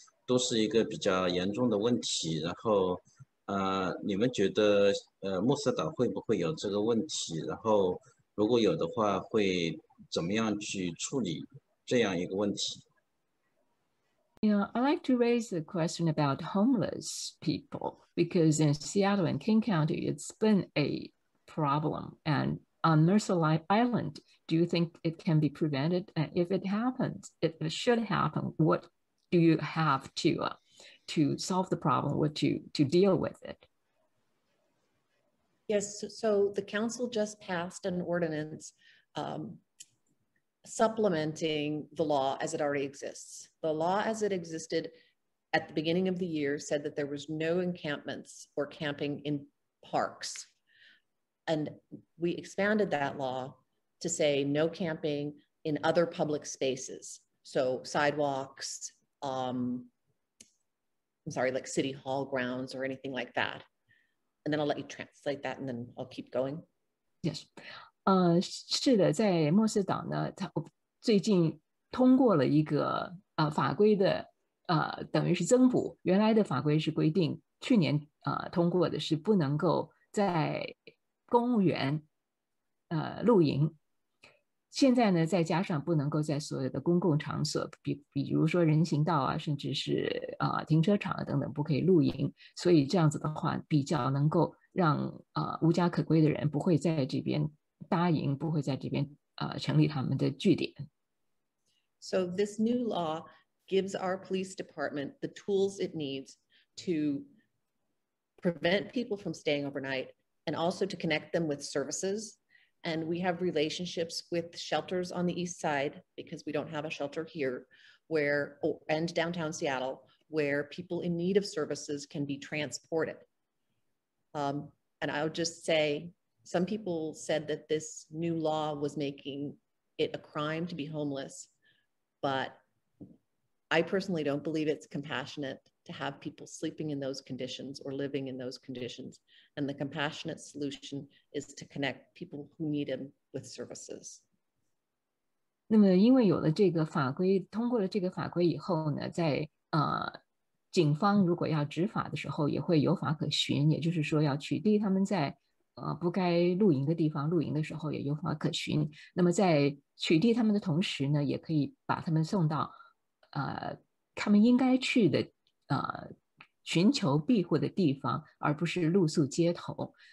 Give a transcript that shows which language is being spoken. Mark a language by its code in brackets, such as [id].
[zh] 都是一个比较严重的问题。然后，你们觉得穆斯岛会不会有这个问题？然后，如果有的话，会怎么样去处理这样一个问题？ [en] You know, I'd like to raise a question about homeless people because in Seattle and King County, it's been a problem. And on Mercer Island, do you think it can be prevented? And if it happens, if it should happen, what do you have to solve the problem or to deal with it? Yes, so the council just passed an ordinance supplementing the law as it already exists. The law as it existed at the beginning of the year said that there was no encampments or camping in parks. And we expanded that law to say no camping in other public spaces. So sidewalks, I'm sorry, like city hall grounds or anything like that. And then I'll let you translate that and then I'll keep going. Yes. [zh] 是的，在莫斯岛呢，他最近通过了一个法规的等于是增补。原来的法规是规定，去年通过的是不能够在公务员露营。现在呢，再加上不能够在所有的公共场所，比如说人行道啊，甚至是停车场啊等等，不可以露营。所以这样子的话，比较能够让无家可归的人不会在这边搭营，不会在这边成立他们的据点。 [en] So this new law gives our police department the tools it needs to prevent people from staying overnight and also to connect them with services. And we have relationships with shelters on the east side because we don't have a shelter here, and downtown Seattle, where people in need of services can be transported. And I'll just say, some people said that this new law was making it a crime to be homeless, but I personally don't believe it's compassionate to have people sleeping in those conditions or living in those conditions. And the compassionate solution is to connect people who need them with services. [zh] 那么因为有了这个法规，通过了这个法规以后呢，在警方如果要执法的时候也会有法可循，也就是说要取缔他们在不该露营的地方露营的时候也有法可循。那么在取缔他们的同时呢，也可以把他们送到他们应该去的寻求庇护的地方，而不是露宿街头。